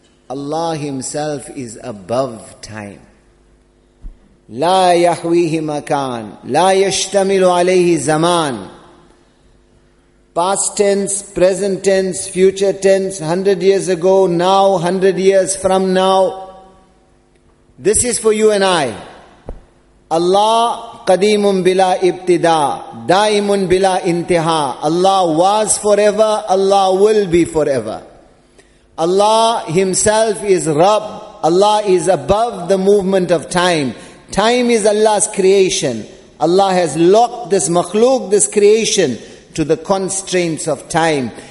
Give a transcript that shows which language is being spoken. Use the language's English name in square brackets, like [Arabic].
[English] Allah Himself is above time. [Arabic] لا يحويه مكان لا يشتمل عليه زمان. [English] Past tense, present tense, future tense, 100 years ago, now, 100 years from now. This is for you and I. [Arabic] Allah قديمٌ بلا ابتداء دائمٌ بلا انتهاء. [English] Allah was forever, Allah will be forever. Allah Himself is Rabb. Allah is above the movement of time. Time is Allah's creation. Allah has locked this makhluk, this creation, to the constraints of time.